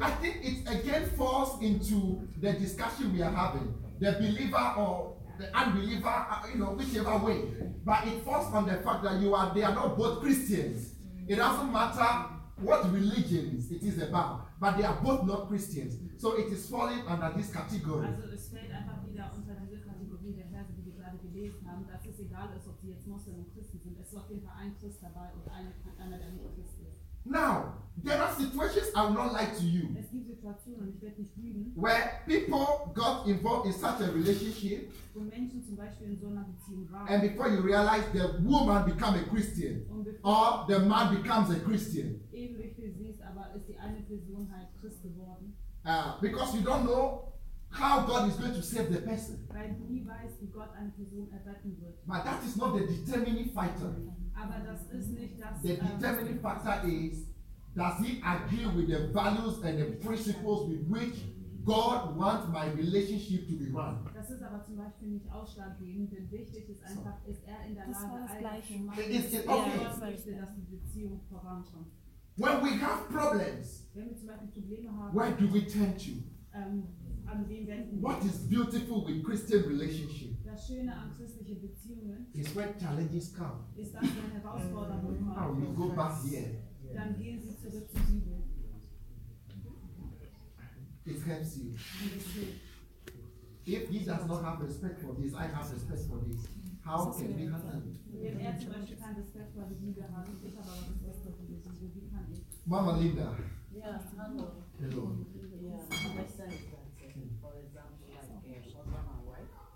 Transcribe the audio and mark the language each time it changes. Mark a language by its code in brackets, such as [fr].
[en] I think it again falls into the discussion we are having. The believer or the unbeliever, you know, whichever way. But it falls on the fact that they are not both Christians. It doesn't matter what religion it is about, but they are both not Christians. So it is falling under this category. [de] Also, es fällt einfach wieder unter diese Kategorie der Verse, die wir gerade gelesen haben, dass es egal ist, ob sie jetzt Muslim oder Christen sind. Es ist auf jeden Fall ein Christ dabei und einer der nicht Christ ist. [en] Now, there are situations I will not lie to you. [de] Es gibt Situationen, ich werde nicht lügen. [en] Where people got involved in such a relationship. [de] Wo Menschen zum Beispiel in so einer Beziehung waren. [en] And before you realize, the woman becomes a Christian. Or the man becomes a Christian. [de] Eben wie du siehst, aber ist die eine Person halt Christ geworden. [en] Because you don't know how God is going to save the person. [de] Weil du nie weißt, wie Gott eine Person erretten wird. [en] But that is not the determining factor. [de] Aber das ist nicht das, [en] the determining factor is, does he agree with the values and the principles with which God wants my relationship to be run? [de] Das ist aber zum Beispiel nicht ausschlaggebend, denn wichtig ist einfach, ist er in der Lage, das Gleiche machen, okay. Er möchte, dass die Beziehung vorankommt. [en] When we have problems, [de] wenn wir zum Beispiel Probleme haben, [en] where do we turn to? [de] An wen wenden wir? [en] What is beautiful with Christian relationship? [de] Das das Schöne an christlichen Beziehungen [en] is when challenges come. [de] Ist das, wenn Herausforderungen kommen. [en] Oh, you go back here. [de] Dann gehen sie zurück zur Bibel. [en] It helps you. If he does not have respect for this, I have respect for this. How can we handle it? Mama Linda. Yeah, hello. Hello. Yeah, my son is that, for example, like a husband and wife.